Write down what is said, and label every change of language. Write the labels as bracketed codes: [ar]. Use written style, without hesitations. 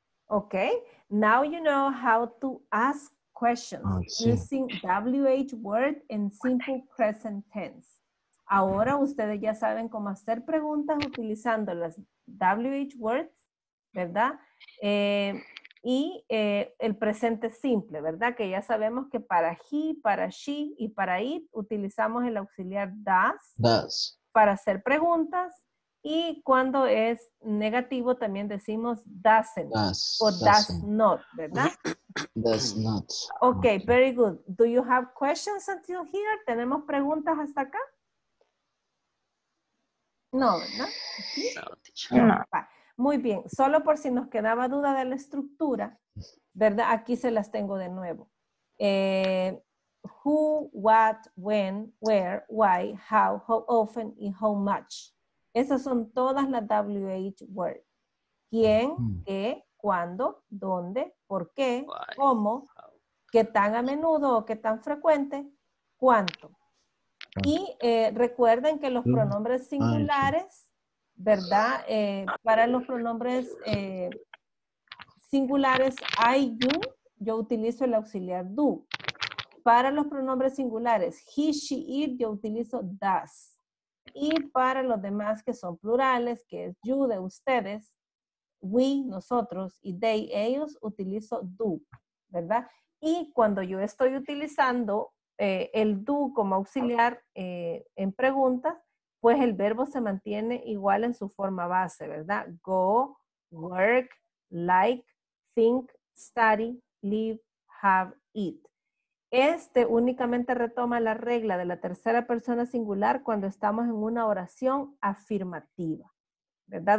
[en] Okay, now you know how to ask questions using WH word in simple present tense. [es] Ahora ustedes ya saben cómo hacer preguntas utilizando las WH words, ¿verdad? El presente simple, ¿verdad? Que ya sabemos que para he, para she y para it utilizamos el auxiliar does. [en] Does. [es] para hacer preguntas. Y cuando es negativo, también decimos doesn't does not, ¿verdad? [en] Does not. Okay, very good. Do you have questions until here? [es] ¿Tenemos preguntas hasta acá? No, ¿verdad? No. Muy bien. Solo por si nos quedaba duda de la estructura, ¿verdad? Aquí se las tengo de nuevo. [en] Who, what, when, where, why, how often, y how much. [es] Esas son todas las WH words. ¿Quién, qué, cuándo, dónde, por qué, cómo, qué tan a menudo o qué tan frecuente, cuánto? Y recuerden que los pronombres singulares, ¿verdad? Para los pronombres singulares, I, you, yo utilizo el auxiliar do. Para los pronombres singulares, he, she, it, yo utilizo does. Y para los demás que son plurales, que es you, de ustedes, we, nosotros, y they, ellos, utilizo do, ¿verdad? Y cuando yo estoy utilizando el do como auxiliar en preguntas, pues el verbo se mantiene igual en su forma base, ¿verdad? [en] Go, work, like, think, study, live, have, eat. [es] Este únicamente retoma la regla de la tercera persona singular cuando estamos en una oración afirmativa, ¿verdad?